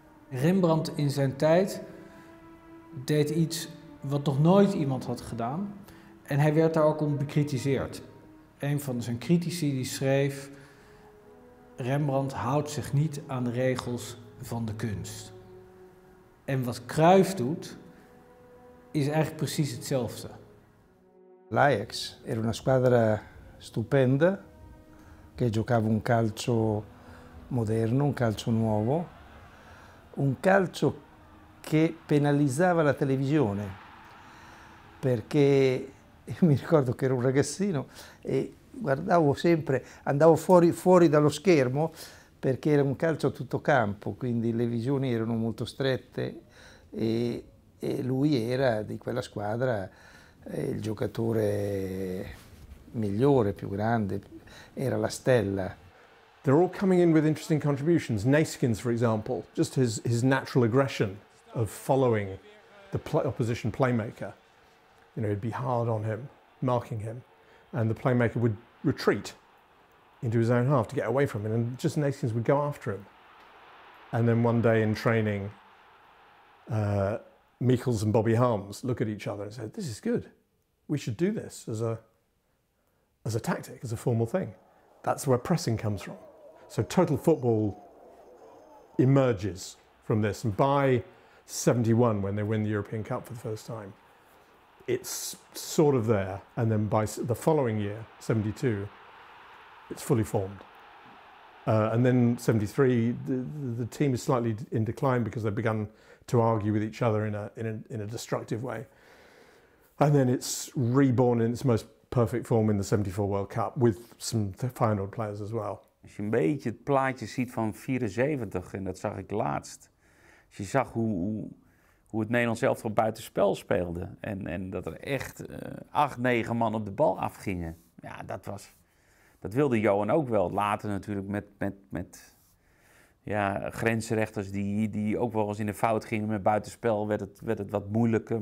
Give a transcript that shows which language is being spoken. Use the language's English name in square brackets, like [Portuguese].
[Dutch] Rembrandt in zijn tijd deed iets wat nog nooit iemand had gedaan. En hij werd daar ook om bekritiseerd. Een van zijn critici die schreef: Rembrandt houdt zich niet aan de regels van de kunst. En wat Cruyff doet, is eigenlijk precies hetzelfde. [Italian] L'Ajax era una squadra stupenda che giocava un calcio moderno, un calcio nuovo, un calcio che penalizzava la televisione perché io mi ricordo che ero un ragazzino e guardavo sempre, andavo fuori dallo schermo perché era un calcio a tutto campo, quindi le visioni erano molto strette e lui era di quella squadra il giocatore migliore, più grande, era la stella. [English] They're all coming in with interesting contributions. Naiskins, for example, just his natural aggression of following the opposition playmaker. You know, it'd be hard on him, marking him, and the playmaker would retreat into his own half to get away from him, and just Naiskins would go after him. And then one day in training, Michels and Bobby Harms look at each other and say, this is good, we should do this as a tactic, as a formal thing. That's where pressing comes from. So total football emerges from this, and by 71, when they win the European Cup for the first time, it's sort of there, and then by the following year, 72, it's fully formed. And then 73, the team is slightly in decline because they've begun to argue with each other in a destructive way. And then it's reborn in its most perfect form in the 74 World Cup with some Feyenoord players as well. [Dutch] Als je een beetje het plaatje ziet van 74, en dat zag ik laatst. Als je zag hoe het Nederlands elftal buitenspel speelde. En dat er echt 8-9 man op de bal afgingen. Ja, dat wilde Johan ook wel. Later natuurlijk met grensrechters die ook wel eens in de fout gingen met buitenspel, werd het wat moeilijker.